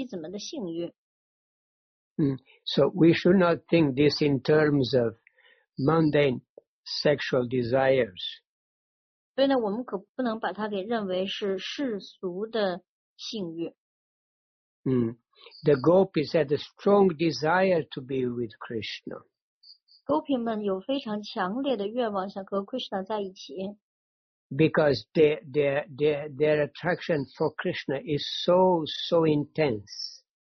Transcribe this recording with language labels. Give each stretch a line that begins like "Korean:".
Chinese: 通过他的美妙的歌声激起了稳大的居民妻子们的性欲。
English: So we should not think this in terms of mundane sexual desires.
Chinese: 所以呢，我们可不能把它给认为是世俗的性欲。
English: The gopis had a strong desire to be with Krishna.
Chinese: 勾皮们有非常强烈的愿望想和 Krishna 在一起。
English: Because their attraction for Krishna is so intense.